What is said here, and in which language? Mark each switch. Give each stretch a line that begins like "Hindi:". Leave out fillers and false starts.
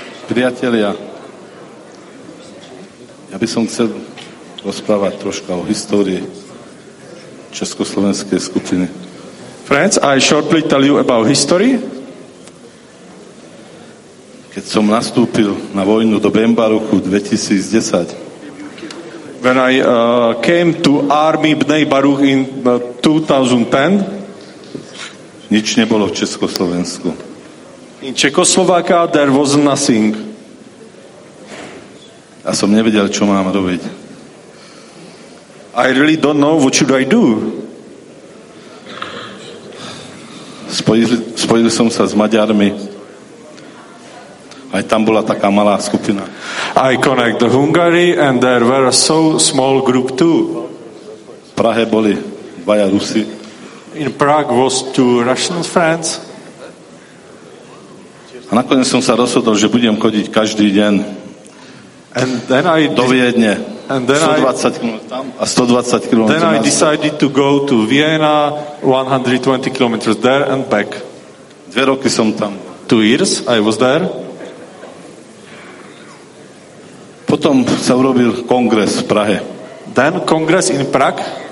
Slovak: Priatelia, ja by som chcel rozprávať troška o histórii československej skupiny.
English: Friends, I shortly tell you about history.
Slovak: Keď som nastúpil na vojnu do Bemba roku 2010.
English: When I came to army Bnei Baruch in 2010.
Slovak: Nič nebolo v Československu.
English: In Czechoslovakia there was nothing.
Slovak: A som nevedel, čo mám robiť.
English: I really don't know what should I do.
Slovak: Spojil som sa s Maďarmi Aj tam bola taká malá skupina.
English: I connect the Hungary and there were a so small group too.
Slovak: V Prahe boli dvaja Rusi.
English: In Prague was two Russian friends.
Slovak: A nakoniec som sa rozhodol, že budem chodiť každý deň do Viedne.
English: And then
Slovak: 120 km tam a 120 km.
English: Then I decided to go to Vienna, 120 km there and back.
Slovak: 2 roky som tam.
English: 2 years I was there.
Slovak: Potom sa urobil kongres v Prahe.
English: Then congress in Prague.